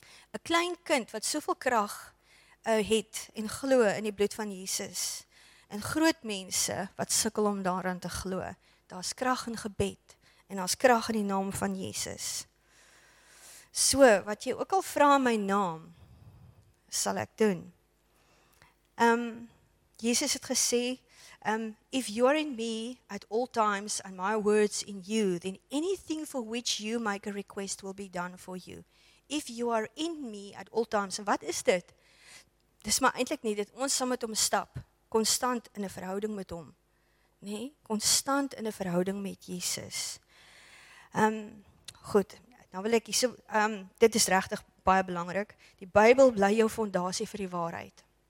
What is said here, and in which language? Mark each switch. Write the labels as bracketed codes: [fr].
[af] 'n Klein kind wat soveel krag het en glo in die bloed van Jesus. En groot mense wat sukkel om daaraan te glo. Daar's krag in gebed en daar's krag in die naam van Jesus. So, wat jy ook al vra in my naam, sal ek doen. Jesus het gesê, [en] "If you're in me at all times and my words in you, then anything for which you make a request will be done for you." If you are in me at all times, [af] en wat is dit? Dis maar eintlik nie dit ons saam met hom stap. Konstant in 'n verhouding met hom. Nê? Nee? Konstant in 'n verhouding met Jesus. Goed. Nou wil ek hier so dit is regtig baie belangrik. Die Bybel bly jou fondasie vir die waarheid.